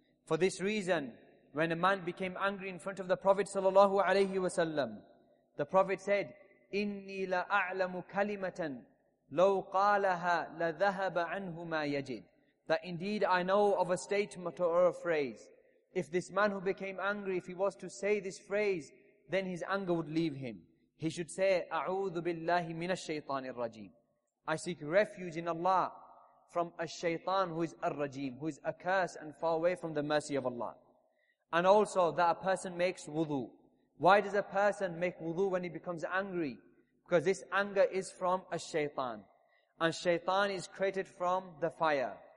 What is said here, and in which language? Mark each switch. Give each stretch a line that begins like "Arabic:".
English: For this reason, when a man became angry in front of the Prophet sallallahu alayhi wa sallam, the Prophet said,
Arabic: إِنِّي لَأَعْلَمُ كَلِمَةً لَوْ قَالَهَا لَذَهَبَ عَنْهُ مَا يَجِدْ.
English: That indeed I know of a statement or a phrase. If this man who became angry, if he was to say this phrase, then his anger would leave him. He should say,
Arabic: أَعُوذُ بِاللَّهِ مِنَ الشَّيْطَانِ الرَّجِيمِ.
English: I seek refuge in Allah from a shaytan who is الرجيم, who is accursed and far away from the mercy of Allah. And also that a person makes wudu. Why does a person make wudu when he becomes angry? Because this anger is from a shaytan. And shaytan is created from the fire.